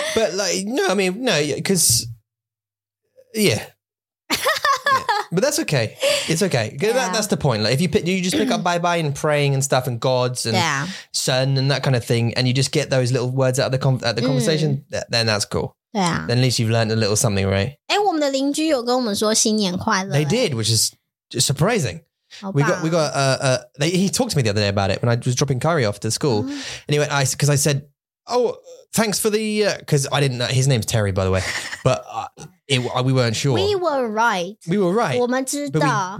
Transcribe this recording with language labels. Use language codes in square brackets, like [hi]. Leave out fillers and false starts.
[en] But like, no, I mean, no, because, yeah. But that's okay. It's okay. Yeah. That's the point. Like, if you just pick up bye bye and praying and stuff and gods and sun and that kind of thing, and you just get those little words out of the conversation, then that's cool. Yeah. Then at least you've learned a little something, right? [zh] 我们的邻居有跟我们说新年快乐。 [en] They did, which is just surprising. He talked to me the other day about it when I was dropping Kari off to school. Mm. And he went, because I said, oh, thanks for the, because I didn't know, his name's Terry, by the way, but we weren't sure. We were right. [zh] 我们知道,